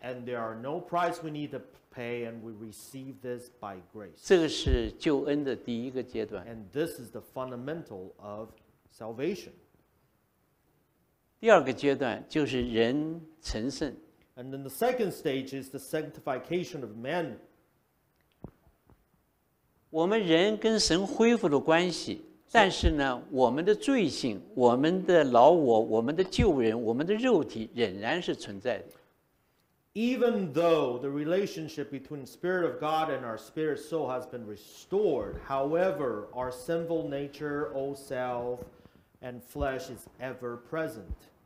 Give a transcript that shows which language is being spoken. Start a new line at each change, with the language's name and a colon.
English: And there are no price we need to pay, and we receive this by grace.
Chinese: 这个是救恩的第一个阶段。
English: And this is the fundamental of salvation.
Chinese: 第二个阶段就是人成圣。
English: And then the second stage is the sanctification of man.
Chinese: 我们人跟神恢复了关系，但是呢，我们的罪性、我们的老我、我们的旧人、我们的肉体仍然是存在的。
English: Even though the relationship between the Spirit of God and our spirit soul has been restored, however, our sinful nature, old self,And flesh is ever present.